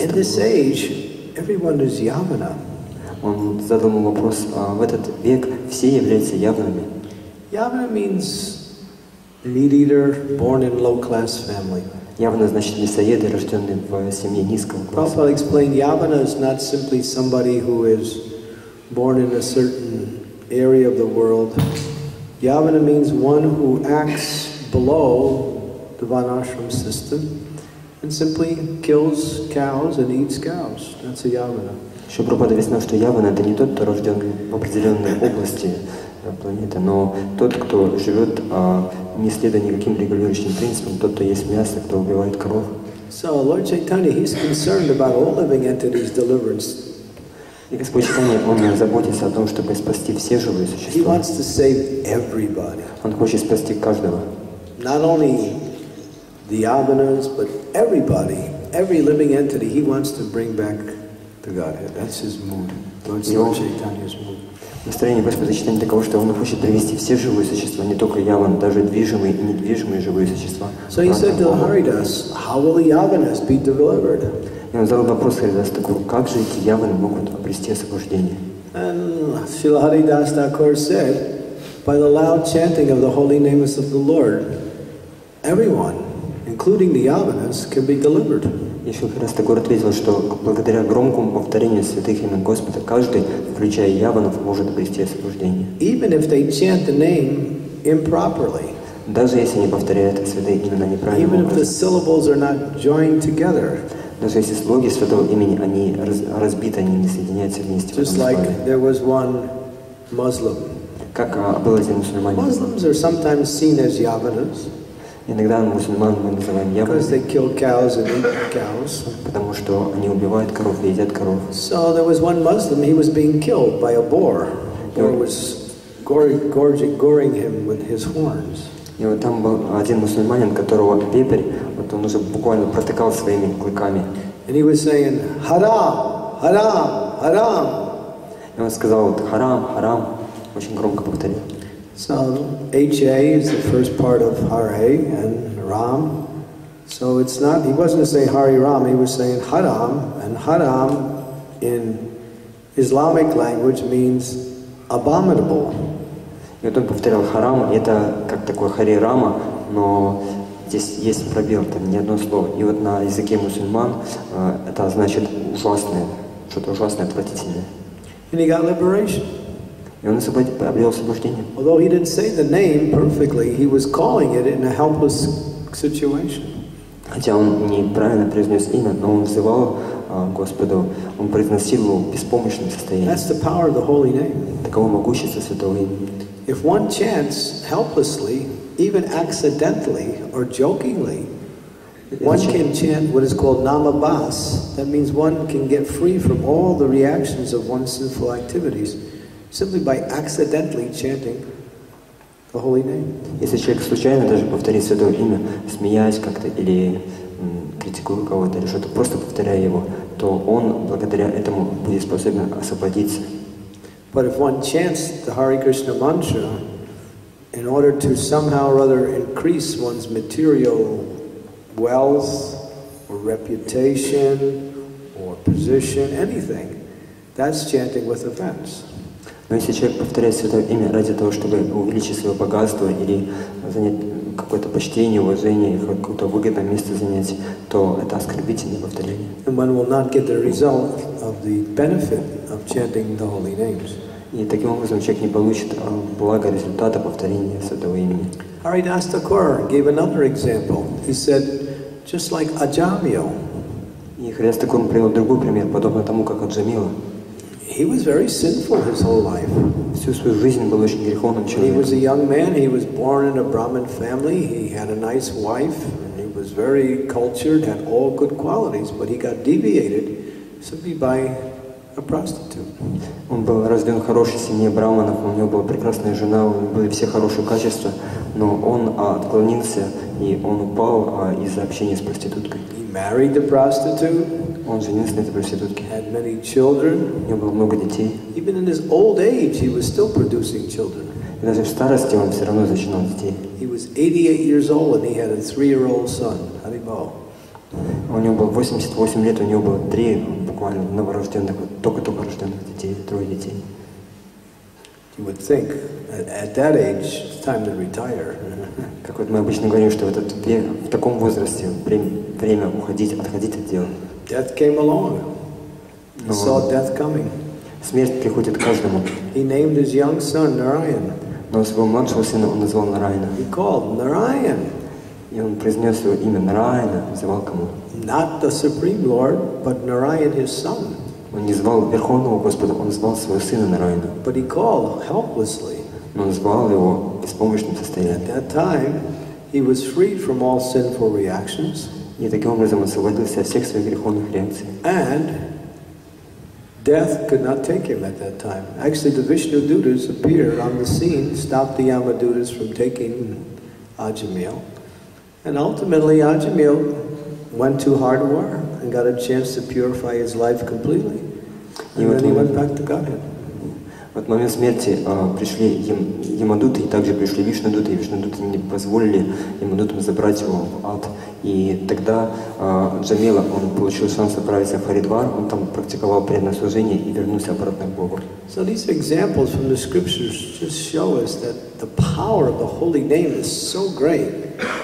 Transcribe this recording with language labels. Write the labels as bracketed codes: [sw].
[en] Такур. In this age, everyone is yavana. [ru] Он задал ему вопрос, в этот век все являются явнами. [en] Yavana means meat eater, born in low class family. [ru] Явана значит мясоеды, рождённые в семье низкого класса. [en] Prabhupada explained, Yavana is not simply somebody who is born in a certain area of the world. Yavana means one who acts below the vanashram system and simply kills cows and eats cows. That's a Yavana. [ru] Еще Прабхупада объяснил, что Явана — это не тот, кто рождён в определённой области планеты, но тот, кто живёт, не следуя никаким регулирующим принципам, тот, кто ест мясо, кто убивает коров. [en] So Lord Chaitanya, he's concerned about all living entities' deliverance. [ru] И Господь Чайтанья, он заботится о том, чтобы спасти все живые существа. [en] He wants to save everybody. [ru] Он хочет спасти каждого. [en] Not only the yavanas, but everybody, every living entity, he wants to bring back to Godhead. That's his mood. Lord Chaitanya's mood. [ru] Настроение Господа Чайтанья таково, что он хочет привести все живые существа, не только яван, даже движимые и недвижимые живые существа. [en] So he said to Haridas, how will the yavanas be delivered? [ru] И он задал вопрос Харидасу, как же эти яваны могут обрести освобождение? [en] And Srila Haridas Thakur said, by the loud chanting of the holy names of the Lord, everyone, including the Yavanas, can be delivered. [ru] И Шилхарас Тагор ответил, что благодаря громкому повторению святых имен Господа, каждый, включая Яванов, может обрести освобождение. [en] Even if they chant the name improperly, [ru] даже если они повторяют святые имена неправильно. [en] Even if the syllables are not joined together, [ru] даже если слоги святого имени они разбиты, они не соединяются вместе. [en] Just like there was one Muslim. [ru] Как был один мусульманин. [en] Muslims are sometimes seen as Yavanas. [ru] Иногда мусульман мы называем яблоками, потому что они убивают коров, едят коров. [en] So there was one Muslim, he was being killed by a boar. Boar was goring him with his horns. [ru] И вот там был один мусульманин, которого вепрь, вот он уже буквально протыкал своими клыками. [en] And he was saying, харам, харам, харам. [ru] И он сказал, харам, харам, очень громко повторил. [en] So HA is the first part of Hare and Ram. So it's not, he wasn't saying Hari Ram, he was saying Haram. And Haram in Islamic language means abominable. [ru] И вот он повторял Харам, это как такое Хари Рама, но здесь есть пробел, там не одно слово. И вот на языке мусульман это значит ужасное, что-то ужасное, отвратительное. [en] And he got liberation. [ru] И он обрел освобождение. [en] Although he didn't say the name perfectly, he was calling it in a helpless situation. [ru] Хотя он неправильно произнес имя, но он взывал Господу, он произносил его в беспомощном состоянии. [en] That's the power of the holy name. [ru] Таково могущество святого имени. [en] If one chants helplessly, even accidentally or jokingly, one can chant what is called namabhas. That means one can get free from all the reactions of one's sinful activities. Simply by accidentally chanting the holy name. [ru] Если человек случайно даже повторит святое имя, смеясь как-то или критикуя кого-то или что-то, просто повторяя его, то он благодаря этому будет способен освободиться. [en] But if one chants the Hare Krishna mantra in order to somehow or other increase one's material wealth or reputation or position, anything, that's chanting with offense. [ru] Но если человек повторяет святое имя ради того, чтобы увеличить свое богатство или занять какое-то почтение, уважение, какое-то выгодное место занять, то это оскорбительное повторение. [en] And one will not get the result of the benefit of chanting the holy names. [ru] И таким образом человек не получит благо результата повторения святого имени. [en] Haridas Thakur gave another example. He said, just like Ajamio. [ru] И Haridas Thakur привел другой пример, подобно тому, как Аджамила. [en] He was very sinful his whole life. [ru] Всю свою жизнь был очень греховным человеком. [en] He was a young man. He was born in a Brahmin family. He had a nice wife. And he was very cultured, had all good qualities. But he got deviated simply by a prostitute. [ru] Он был рожден в хорошей семье брахманов. У него была прекрасная жена. У него были все хорошие качества. Но он отклонился и он упал из-за общения с проституткой. [en] He married the prostitute. [ru] Он женился на этой проститутке. [en] Had many children. [ru] У него было много детей. [en] Even in his old age, he was still producing children. [ru] И даже в старости он все равно зачинал детей. [en] He was 88 years old and he had a 3-year-old son, Haribol. [ru] У него было 88 лет, у него было 3 буквально новорожденных, вот только-только рожденных детей, 3 детей. [en] You would think at that age it's time to retire. [ru] Как вот мы обычно говорим, что этот век, в таком возрасте время уходить, отходить от дела. [en] Death came along. He saw death coming. [ru] Смерть приходит каждому. [en] He named his young son Narayan. [ru] Но своего младшего сына он назвал Нараяна. [en] He called Narayan. [ru] И он произнес его имя Нараяна, называл кому? [en] Not the Supreme Lord, but Narayan his son. [ru] Он не звал Верховного Господа, он звал своего сына Нараяна. [en] But he called helplessly. [ru] Но он звал его в беспомощном состоянии. [en] At that time, he was freed from all sinful reactions. [ru] И таким образом он освободился от всех своих греховных реакций. [en] And death could not take him at that time. Actually, the Vishnu Dutas appeared on the scene, stopped the Yama Dutas from taking Ajamil. And ultimately, Ajamil went to Hardwar and got a chance to purify his life completely. And then he went back to Godhead. [ru] Вот в момент смерти пришли Ямадуты, и также пришли Вишнадуты, и Вишнадуты не позволили Ямадутам забрать его в ад. И тогда Джамила, он получил шанс отправиться в Харидвар, он там практиковал преданное служение и вернулся обратно к Богу. [en] So these examples from the scriptures just show us that the power of the holy name is so great.